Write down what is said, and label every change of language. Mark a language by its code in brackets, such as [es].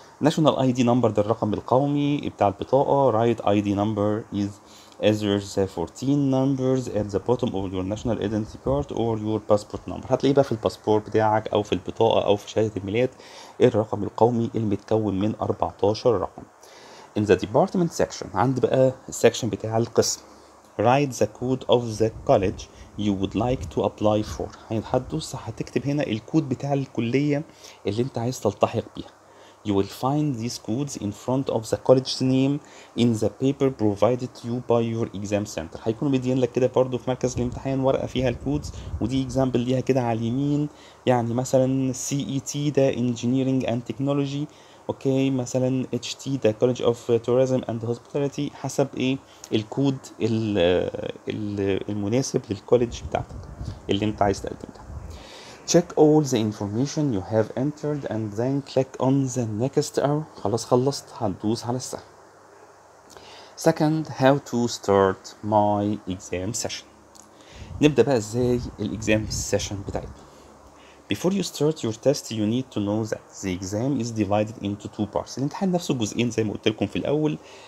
[en] National ID number [ar] ده الرقم القومي بتاع البطاقة. [en] Right ID number is either 14 numbers at the bottom of your national identity card or your passport number. [ar] هتلاقيه بقى في الباسبور بتاعك أو في البطاقة أو في شهادة الميلاد الرقم القومي اللي متكون من 14 رقم. [en] In the department section [ar] عند بقى السكشن بتاع القسم. [en] Write the code of the college you would like to apply for. [ar] هتكتب هنا الكود بتاع الكلية اللي انت عايز تلتحق بيها. [en] You will find these codes in front of the college's name in the paper provided to you by your exam center. [ar] هيكونوا مدين لك كده برضو في مركز الامتحان ورقة فيها الكودز. ودي example ليها كده على اليمين. يعني مثلا CET ده Engineering and Technology. اوكي مثلا HT ده College of Tourism and Hospitality. حسب ايه الكود المناسب للكوليج بتاعتك اللي انت عايز تقدم ده. [en] Check all the information you have entered and then click on the next arrow. [ar] خلاص خلصت هتدوس على السهم. [en] Second, how to start my exam session. [ar] نبدأ بقى ازاي الاكزام سيشن بتاعتنا. [en] Before you start your test you need to know that the exam is divided into two parts. [ar] الامتحان نفسه جزئين زي ما قلت لكم في الاول.